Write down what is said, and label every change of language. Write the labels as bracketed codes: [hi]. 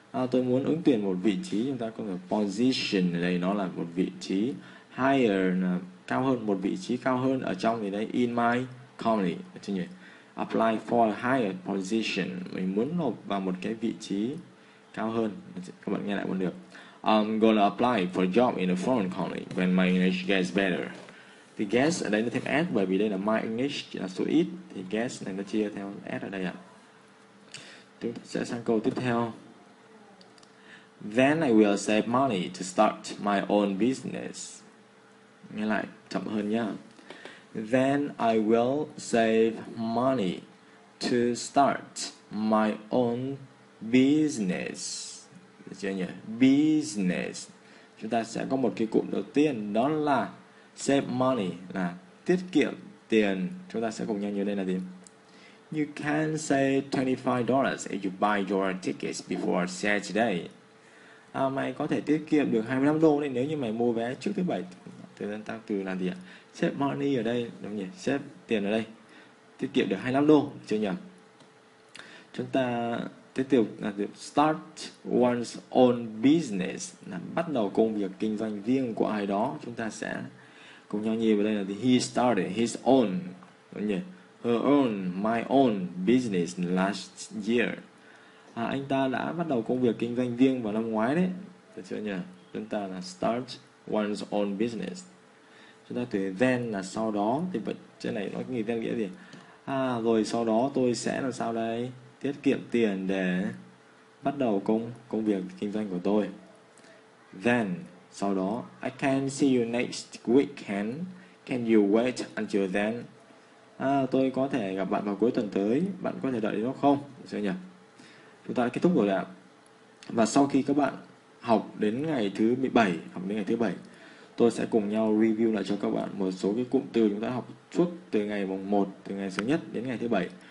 [vi] Tôi muốn ứng tuyển một vị trí. Chúng ta có thể position ở đây, nó là một vị trí. Higher là cao hơn, một vị trí cao hơn ở trong thì đây, [en] in my company. Apply for a higher position. [vi] Mình muốn nộp vào một cái vị trí cao hơn. Các bạn nghe lại một được. [en] I'm gonna apply for a job in a foreign company when my English gets better. [vi] Thì guess ở đây nó thêm S, bởi vì đây là my English là số ít, thì guess này nó chia theo S ở đây ạ. Chúng ta sẽ sang câu tiếp theo. [en] Then I will save money to start my own business. [vi] Nghe lại chậm hơn nhá. [en] Then I will save money to start my own business. [vi] Được chưa nhỉ? Business. Chúng ta sẽ có một cái cụm đầu tiên, đó là save money, là tiết kiệm tiền. Chúng ta sẽ cùng nhau nhớ đây là gì. [en] You can save $25 if you buy your tickets before Saturday. [vi] Mày có thể tiết kiệm được $25 đô nếu như mày mua vé trước thứ bảy. Thời gian tăng từ là gì ạ? Save money ở đây, đúng nhỉ? Save tiền ở đây, tiết kiệm được $25 chưa nhỉ? Chúng ta tiếp tục là start one's own business, là bắt đầu công việc kinh doanh riêng của ai đó. Chúng ta sẽ cùng nhau nhìn vào đây là [en] he started his own, [vi] đúng nhỉ? [en] Her own, my own business last year. [vi] Anh ta đã bắt đầu công việc kinh doanh riêng vào năm ngoái đấy, được chưa nhỉ? Chúng ta là start one's own business. Chúng ta từ then là sau đó, thì vậy trên này nó nghĩ theo nghĩa gì? Rồi sau đó tôi sẽ làm sao đây? Tiết kiệm tiền để bắt đầu công việc kinh doanh của tôi. [en] Then [vi] sau đó, [en] I can see you next weekend. Can you wait until then? [vi] Tôi có thể gặp bạn vào cuối tuần tới. Bạn có thể đợi đến đó không? Được chưa nhỉ? Chúng ta đã kết thúc rồi ạ. Và sau khi các bạn học đến ngày thứ 17, học đến ngày thứ 7, tôi sẽ cùng nhau review lại cho các bạn một số cái cụm từ chúng ta học suốt từ ngày mùng 1, từ ngày thứ nhất đến ngày thứ 7.